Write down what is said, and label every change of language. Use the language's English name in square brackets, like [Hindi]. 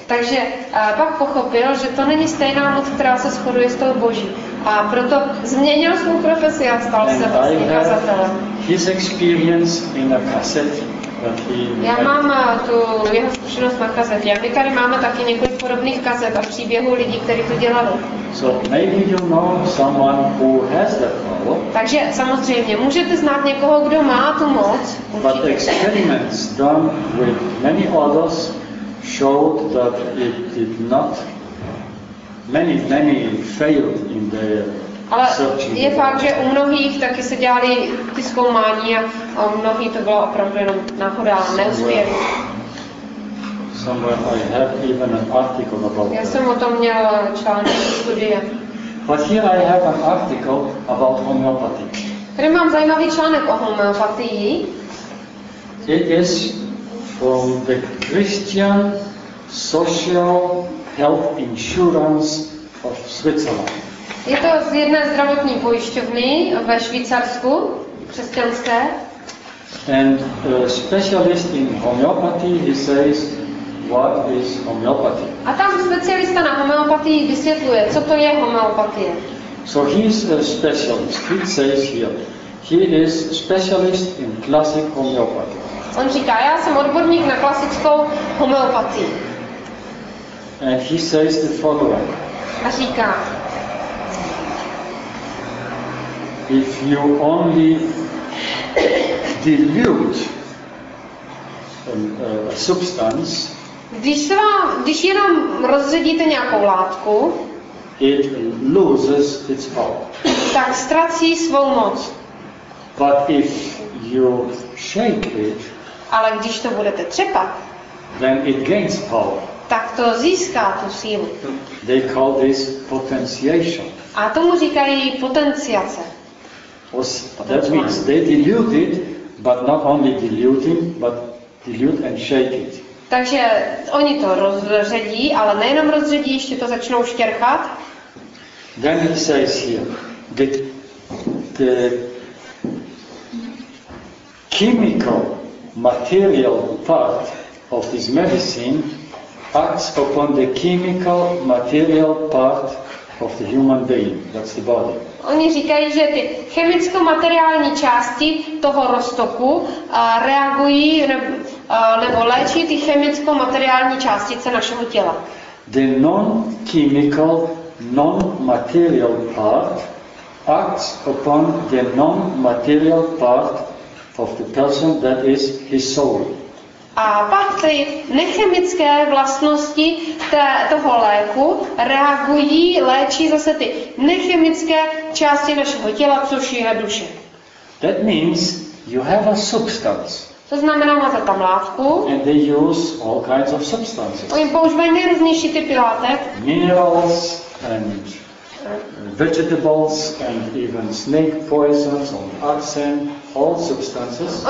[Czech] Takže pak pochopil, že to není stejná moc, která se shoduje s tou Boží. A proto změnil svou profesi a stal [English] and [Czech] se vlastně kazatelem. [English] His experience in a cassette. [Czech] Já mám tu jeho zkušenost na kazetě. A my tady máme taky několik podobných kazet a příběhů lidí, kteří to dělali. [English] So maybe you know someone who has that power. [Czech] Takže samozřejmě můžete znát někoho, kdo má tu moc. Určitě. [English] But experiments done with many others showed that it did not. Many failed in their searching. [Czech] Ale je fakt, že u mnohých taky se dělali ty zkoumání a u mnohých to bylo opravdu jenom náhoda, neuspěch. [English] Somewhere I have even an article about. [Czech] Já jsem o tom měl článek v studii. [English] But here I have an article about homeopathy. [Czech] Tady mám zajímavý článek o homeopatii. [English] It is from the Christian Social Health Insurance of Switzerland. [Czech] Je to z jedné zdravotní pojišťovny ve Švýcarsku, křesťanské. [English] And a specialist in homeopathy, he says, what is homeopathy? [Czech] A tam specialista na homeopatii vysvětluje, co to je homeopatie. [English] So he is a specialist. He says here, he is specialist in classic homeopathy. [Czech] On říká, já jsem odborník na klasickou homeopatii. [English] And he says the following. [Czech] A říká, [English] if you only dilute a substance, [Czech] když jenom rozředíte nějakou látku, [English] it loses its power. [Czech] Tak ztrací svou moc. [English] But if you shake it, [Czech] ale když to budete třepat, [English] then it gains power. [Czech] Tak to získá tu sílu. [English] They call this potentiation. [Czech] A tomu říkají potenciace. [English] That means they dilute it, but not only diluting, but dilute and shake it. [Czech] Takže oni to rozředí, ale nejenom rozředí, ještě to začnou štěrchat. [English] Then he says here, the chemical material part of this medicine acts upon the chemical material part of the human being, that's the body. [Czech] Oni říkají, že ty chemicko-materiální části toho roztoku reagují nebo léčí ty chemicko-materiální částice našeho těla. [English] The non-chemical, non-material part acts upon the non-material part of the person, that is his soul. [Czech] A pak ty nechemické vlastnosti toho léku reagují, léčí zase ty nechemické části našeho těla, což je duše. [English] That means you have a substance. [Czech] To znamená, máte tam látku. [English] And they use all kinds of substances. [Czech] Oni používají nejrůznější typy látek. [English] Minerals and vegetables and even snake poisons or arsen, all substances.